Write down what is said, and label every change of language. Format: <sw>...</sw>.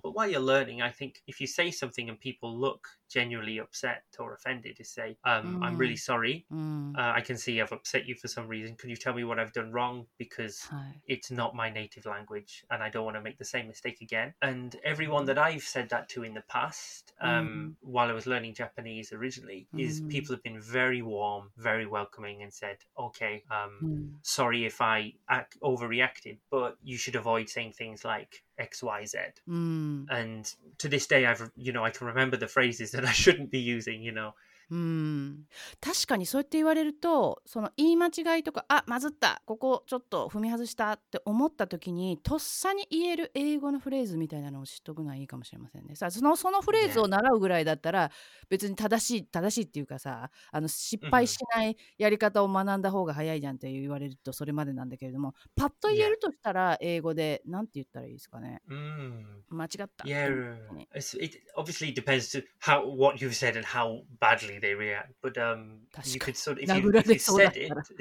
<en>But while you're learning, I think if you say something and people look genuinely upset,Upset or offended to say、I'm really sorry、I can see I've upset you for some reason can you tell me what I've done wrong because、it's not my native language and I don't want to make the same mistake again and everyone that I've said that to in the past、while I was learning Japanese originally、is people have been very warm very welcoming and said okay、sorry if I overreacted but you should avoid saying things likeXYZ、and to this day I've you know I can remember the phrases that I shouldn't be using you know、</en> <ja>確かにそうやって言われるとその言い間違いとかあまずったここちょっと踏み外したって思った時にとっさに言える英語のフレーズみたいなのを知っとくのはいいかもしれませんねさそのフレーズを習うぐらいだったら別に正しいっていうかさ失敗しないやり方を学んだ方が早いじゃんって言われるとそれまでなんだけれどもパッと言えるとしたら英語でなんて言ったらいいですかね、間違った</ja> <en>yeah, it obviously depends to how, what you've said and how badly they react. But you could sort of, if you said it,</en>